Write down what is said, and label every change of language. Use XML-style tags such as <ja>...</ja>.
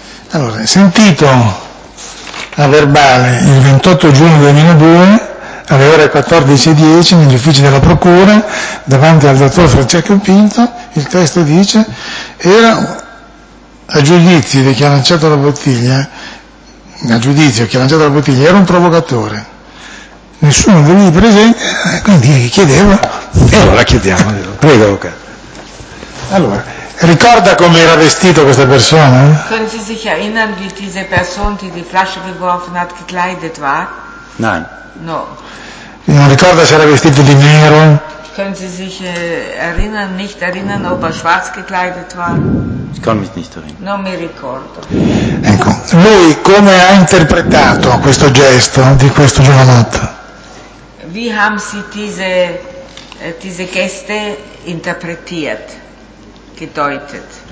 <it>Allora, sentito a verbale il 28 giugno 2002 alle ore 14:10 negli uffici della procura davanti al dottor Francesco Pinto, il testo dice era a giudizio di chi ha lanciato la bottiglia, era un provocatore. Nessuno degli presenti, quindi chiedeva. Allora chiediamo. Prego. Okay. Allora, ricorda come era vestito questa persona?</it> <de>Können Sie sich erinnern, wie diese Person, die die Flasche geworfen hat, gekleidet war? Nein.</de> <it>No. Non ricorda se era vestito di nero?</it> <de>Können Sie sich erinnern, nicht erinnern, ob er schwarz gekleidet war? Ich kann mich nicht erinnern.</de> <it>Non mi ricordo. Ecco, lui come ha interpretato questo gesto di questo giovanotto?</it> <de>Wie haben Sie diese Geste interpretiert, gedeutet?</de>